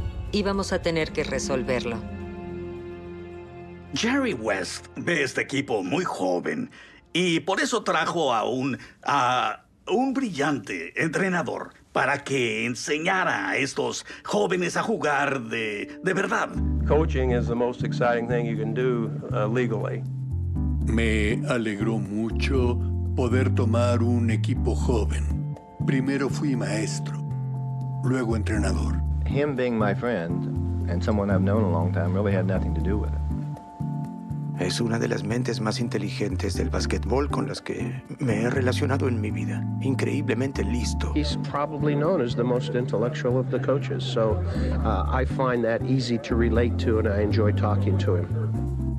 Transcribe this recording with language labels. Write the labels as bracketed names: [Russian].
[Spanish] Íbamos a tener que resolverlo. Jerry West ve este equipo muy joven y por eso trajo a un brillante entrenador para que enseñara a estos jóvenes a jugar de verdad. [English] Coaching is the most exciting thing you can do legally. [Spanish] Me alegró mucho poder tomar un equipo joven. Primero fui maestro, luego entrenador. [English] Him being my friend and someone I've known a long time really had nothing to do with it. [Spanish] Es una de las mentes más inteligentes del básquetbol con las que me he relacionado en mi vida. Increíblemente listo. [English] He's probably known as the most intellectual of the coaches, so I find that easy to relate to and I enjoy talking to him.